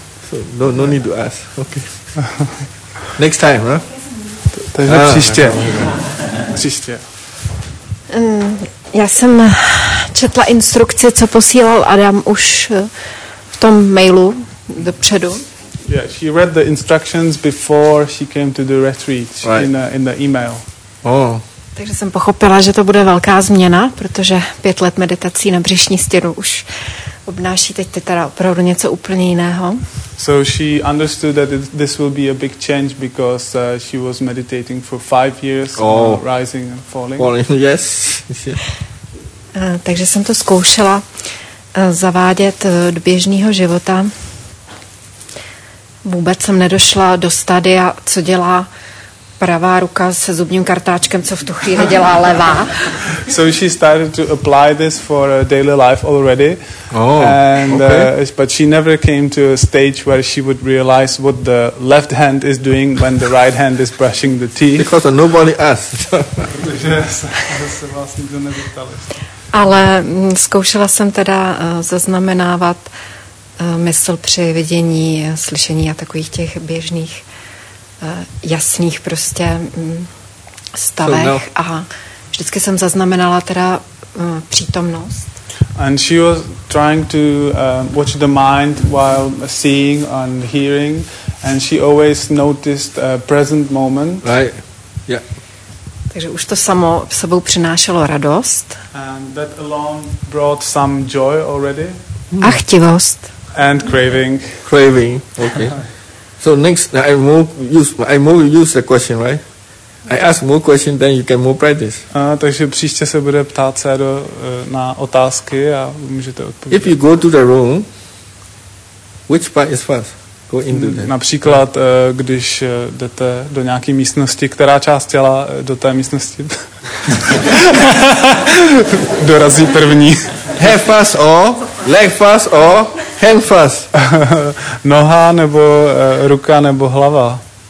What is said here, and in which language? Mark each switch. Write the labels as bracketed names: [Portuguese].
[English] So no need to ask. Okay. Next time, huh? [Czech] Takže příště. Příště. Já jsem četla instrukce, co posílal Adam už v tom mailu dopředu. [English] Yeah, she read the instructions before she came to the retreat in the email. Oh. [Czech] Takže jsem pochopila, že to bude velká změna, protože 5 let meditací na břišní stěnu už obnáší teď teda opravdu něco úplně jiného. [English] So she understood that this will be a big change because she was meditating for 5 years, rising and falling. Falling, yes. [Czech] Takže jsem to zkoušela zavádět do běžného života. Vůbec jsem nedošla do stadia, co dělá pravá ruka se zubním kartáčkem, co v tu chvíli dělá levá. [English] So she started to apply this for daily life already. Oh, and, okay. But she never came to a stage where she would realize what the left hand is doing when the right hand is brushing the teeth. Because nobody asked. [Czech] Protože se vás nikdo nezeptal. Ale zkoušela jsem teda zaznamenávat mysl při vidění, slyšení a takových těch běžných jasných prostě stavech a vždycky jsem zaznamenala teda přítomnost. [English] And she was trying to watch the mind while seeing and hearing and she always noticed a present moment. Right. Yeah. [Czech] Takže už to samo sebou přinášelo radost. [English] And that alone brought some joy already. [Czech] A chtivost. [English] And craving. Craving, okay. So next, I move the question, right? I ask more questions, then you can more practice. [Czech] Takže příště se bude ptát se na otázky a můžete odpovědět. [English] If you go to the room, which part is first? [Czech] Například, když jdete do nějaké místnosti, která část těla do té místnosti dorazí první. Hefas o, lefas o, henfas. Noha nebo ruka nebo hlava.